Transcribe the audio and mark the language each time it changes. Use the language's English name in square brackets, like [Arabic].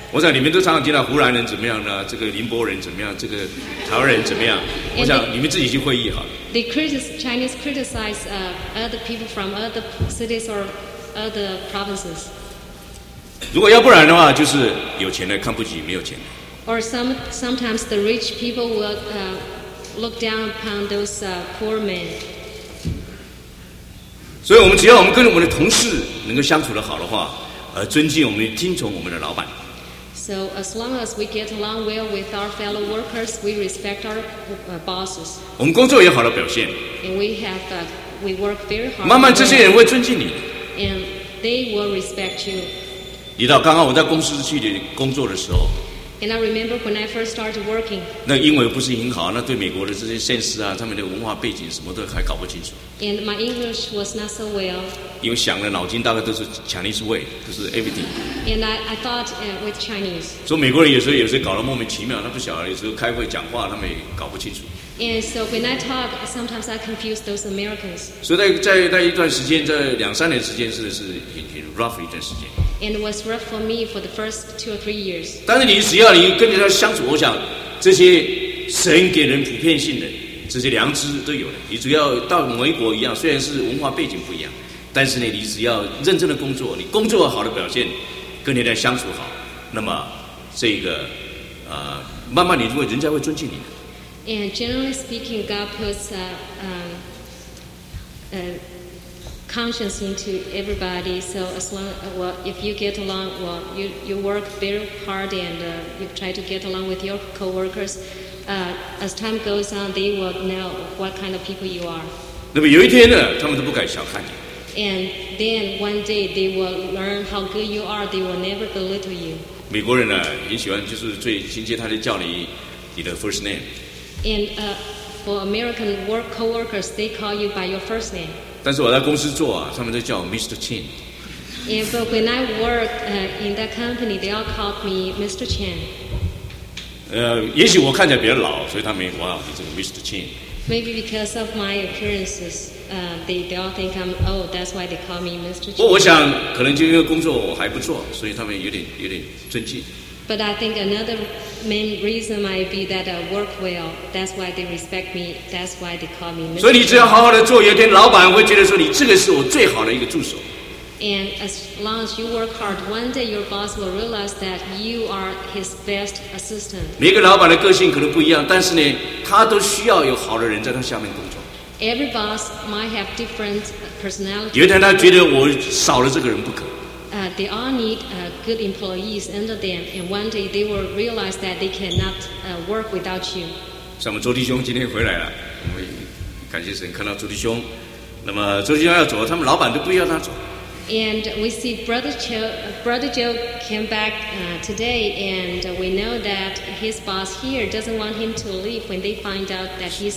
[Chinese] 我想你们都常常听到湖南人怎么样呢？这个宁波人怎么样？这个台湾人怎么样？我想你们自己去会议好了。 [English] The Chinese criticize other people from other cities or other provinces. [Chinese] 如果要不然的话，就是有钱的看不起没有钱的。 [English] Or sometimes the rich people will look down upon those poor men. [Chinese] 所以我们只要我们跟我们的同事能够相处的好的话，尊敬我们，听从我们的老板。 [English] So as long as we get along well with our fellow workers, we respect our bosses. [Chinese] 我们工作有好的表现。 [English] And we work very hard. [Chinese] 慢慢这些人会尊敬你。 [English] And they will respect you. [Chinese] 你知道刚刚我在公司去工作的时候。 [English] And I remember when I first started working. [Chinese] 那英文不是很好，那对美国的这些现实啊，他们的文化背景什么都还搞不清楚。 [English] And my English was not so well. [Chinese] 因为想的脑筋大概都是 [English] Chinese way, [Chinese] 就是 [English] everything. And I thought with Chinese. [Chinese] 所以美国人有时候搞得莫名其妙，那不晓得有时候开会讲话他们也搞不清楚。 [English] And so when I talk, sometimes I confuse those Americans. [Chinese] 所以在那一段时间，在两三年时间真的是很 [English] rough [Chinese] 一段时间。 [English] And it was rough for me for the first two or three years. [Chinese] 但是你只要你跟人家相处，我想这些神给人普遍性的这些良知都有了。你只要到某一国一样，虽然是文化背景不一样，但是呢，你只要认真的工作，你工作好的表现，跟人家相处好，那么这个慢慢你就会人家会尊敬你的。 [English] And generally speaking, God puts conscience into everybody. So as long, well, if you get along, well, you work very hard and you try to get along with your coworkers. As time goes on, they will know what kind of people you are. [Chinese] 那么有一天呢，他们都不敢小看你。 [English] And then one day they will learn how good you are. They will never belittle you. [Chinese] 美国人呢，很喜欢就是最亲切，他就叫你的 [English] first name. And for American work coworkers, they call you by your first name. [Chinese] 但是我在公司做啊，他们都叫我 Mr. Chen. [English] And but when I work in that company, they all called me Mr. Chen. [Chinese] 也许我看起来比较老，所以他们哇，你这个 Mr. Chen. [English] Maybe because of my appearances, they all think I'm old. That's why they call me Mr. Chen. [Chinese] 不，我想可能就因为工作我还不错，所以他们有点尊敬。 [English] But I think another main reason might be that I work well. That's why they respect me. That's why they call me. [Chinese] 所以你只要好好的做，有一天老板会觉得说你这个是我最好的一个助手。 [English] And as long as you work hard, one day your boss will realize that you are his best assistant. [Chinese] 每个老板的个性可能不一样，但是呢，他都需要有好的人在他下面工作。 [English] Every boss might have different personalities. [Chinese] 有一天他觉得我少了这个人不可。 [English] they all need good employees under them, and one day they will realize that they cannot work without you. [Chinese] 像我们周弟兄今天回来了，我们感谢神看到周弟兄。那么周弟兄要走，他们老板都不要他走。 [English] And we see Brother Joe came back today, and we know that his boss here doesn't want him to leave when they find out that he's.